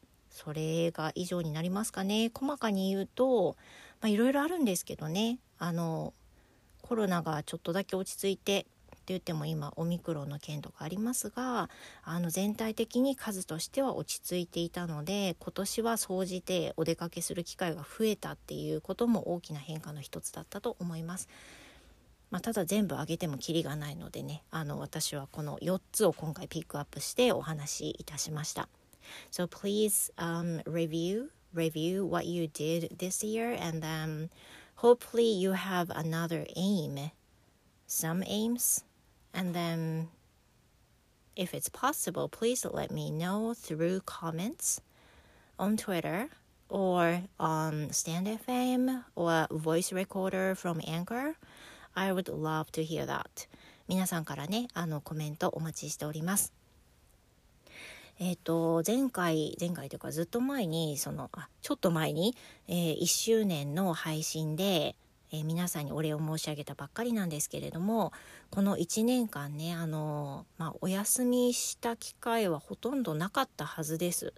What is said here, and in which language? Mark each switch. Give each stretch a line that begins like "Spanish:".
Japanese: それが以上になりますかね。細かに言うと、まあ、いろいろあるんですけどね、コロナがちょっとだけ落ち着いてって言っても今オミクロンの件とかありますが、全体的に数としては落ち着いていたので今年は総じてお出かけする機会が増えたっていうことも大きな変化の一つだったと思います。まあ、ただ全部上げてもキリがないのでね、私はこの4つを今回ピックアップしてお話しいたしました。
English: So please review what you did this year, and then hopefully you have another aim, some aims, and then if it's possible, please let me know through comments on Twitter or on Stand FM or voice recorder from Anchor. I would love to hear that.
Japanese: 皆さんからね、コメントお待ちしております。前回というかずっと前に、ちょっと前に、1周年の配信で、皆さんにお礼を申し上げたばっかりなんですけれども、この1年間ね、お休みした機会はほとんどなかったはずです。